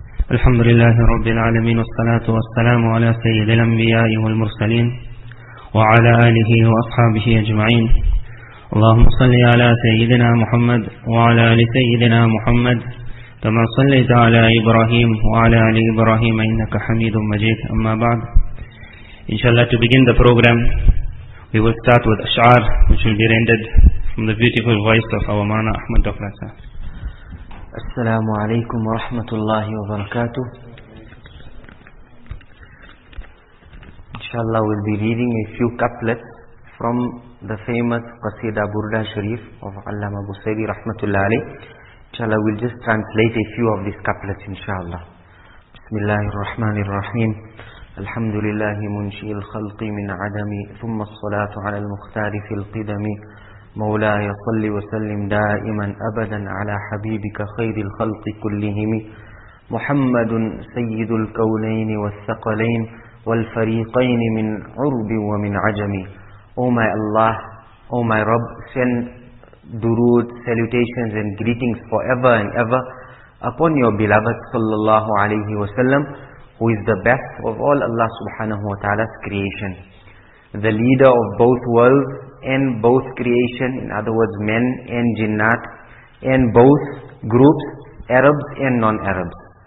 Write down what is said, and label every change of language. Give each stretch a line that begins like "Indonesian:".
Arabic: الحمد لله رب العالمين، والصلاة والسلام على سيد الأنبياء والمرسلين وعلى آله وأصحابه أجمعين. اللهم صل على سيدنا محمد وعلى آل سيدنا محمد كما صليت على إبراهيم وعلى آل إبراهيم إنك حميد مجيد.
English: أما بعد، إن شاء الله to begin the program we will start with أشعار which will be rendered from the beautiful voice of our Maulana Ahmad Dr. Hassan.
Arabic: السلام عليكم ورحمة الله وبركاته. إن شاء الله
English: we'll be reading a few couplets from the famous
Arabic: قصيدة برده شريف of علامة بوسيدي رحمة الله عليه.
English: إن شاء الله we'll just translate a few of these couplets إن شاء الله.
Arabic: بسم الله الرحمن الرحيم. الحمد لله منشئ الخلق من عدم، ثم الصلاة على المختار في القدم. مولاي صل وسلم دائما أبدا على حبيبك خير الخلق كلهم. محمد سيد الكونين والثقلين والفريقين من عرب ومن عجم.
English: O my Allah, O my Rabb, send durood, salutations and greetings forever and ever upon your beloved sallallahu alayhi wa sallam, who is the best of all Allah subhanahu wa ta'ala's creation, the leader of both worlds and both creation, in other words, men and jinnat, and both groups, Arabs and non-Arabs.